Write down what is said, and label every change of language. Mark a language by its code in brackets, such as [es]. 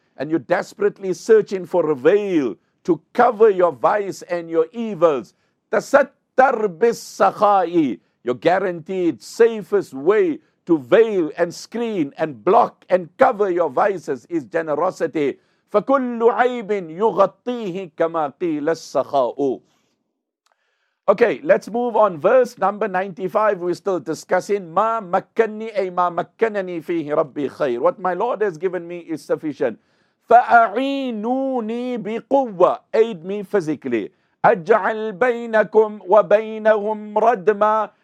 [en] And you're desperately searching for a veil to cover your vice and your evils. [ar] تَسَتَّرْ بِالسَّخَائِ. [en] You're guaranteed safest way to veil and screen and block and cover your vices is generosity. [ar] فَكُلُّ عَيْبٍ يُغَطِّيهِ كَمَا قِيلَ السَّخَاءُ. [en] Okay, let's move on. Verse number 95, we're still discussing. [ar] مَا مَكَّنِّي أَيْ مَا مَكَّنَنِي فِيهِ رَبِّي خَيْرٌ. [en] What my Lord has given me is sufficient. [ar] فَأَعِينُونِي بِقُوَّةٍ. [en] Aid me physically. [ar] أَجْعَلْ بَيْنَكُمْ وَبَيْنَهُمْ رَدْمًا.